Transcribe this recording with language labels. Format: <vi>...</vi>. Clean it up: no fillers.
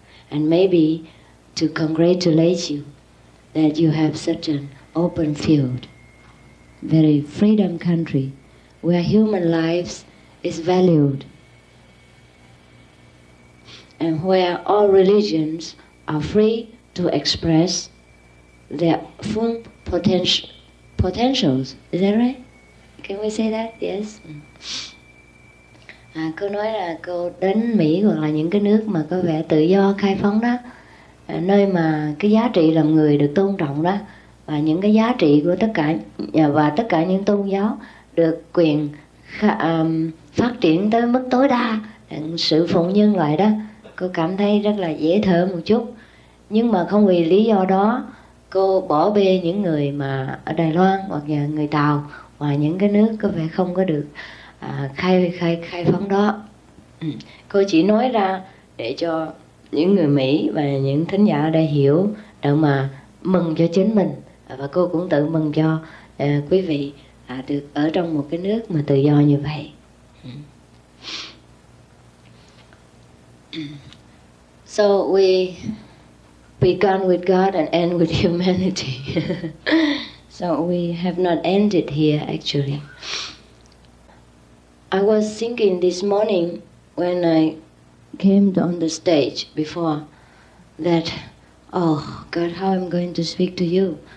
<en>And maybe to congratulate you that you have such an open field, very freedom country, where human lives is valued, and where all religions are free to express their full potentials. Is that right? Can we say that? Yes.</en> <vi>À, cô nói là cô đến Mỹ hoặc là những cái nước mà có vẻ tự do, khai phóng đó, nơi mà cái giá trị làm người được tôn trọng đó, và những cái giá trị của tất cả và tất cả những tôn giáo được quyền phát triển tới mức tối đa, sự phụng nhân loại đó, cô cảm thấy rất là dễ thở một chút. Nhưng mà không vì lý do đó cô bỏ bê những người mà ở Đài Loan hoặc là người Tàu và những cái nước có vẻ không có được khai phóng đó. Cô chỉ nói ra để cho những người Mỹ và những thính giả ở đây hiểu để mà mừng cho chính mình, và cô cũng tự mừng cho quý vị được ở trong một cái nước mà tự do như vậy.</vi> <en>So we began with God and end with humanity. So we have not ended here actually. I was thinking this morning when I came on the stage before that, oh God, how I'm going to speak to you?</en>